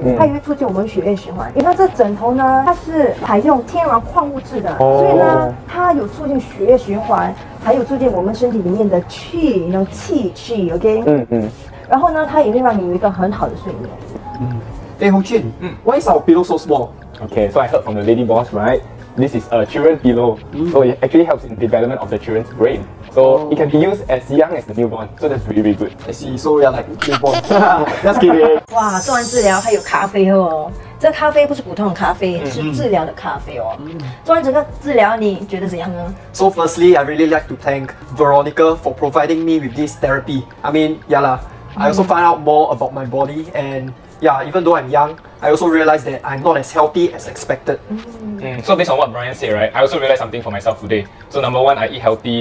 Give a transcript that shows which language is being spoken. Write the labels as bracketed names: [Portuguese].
[Chinese] 它也会促进我们血液循环。那这枕头呢，它是采用天然矿物质的，所以呢，它有促进血液循环，还有促进我们身体里面的气，气 ，OK？然后呢，它也会让你有一个很好的睡眠。 [English] 哎，洪俊，Why is our pillow so small？ Okay， so I heard from the lady boss， right？ This is a children pillow， so it actually helps in development of the children's brain。 So it can be used as young as the newborn. So that's really, really good. I see. So yeah, like newborn. Just kidding. [Chinese] 哇，做完治疗还有咖啡哦。这咖啡不是普通的咖啡，是治疗的咖啡哦。做完整个治疗，你觉得怎样呢？ [English] So firstly, I really like to thank Veronica for providing me with this therapy. I mean, yeah lah. I also find out more about my body and. Yeah, even though I'm young, I also realize that I'm not as healthy as expected. So based on what Brian said, right, I also realized something for myself today. So number one, I eat healthy.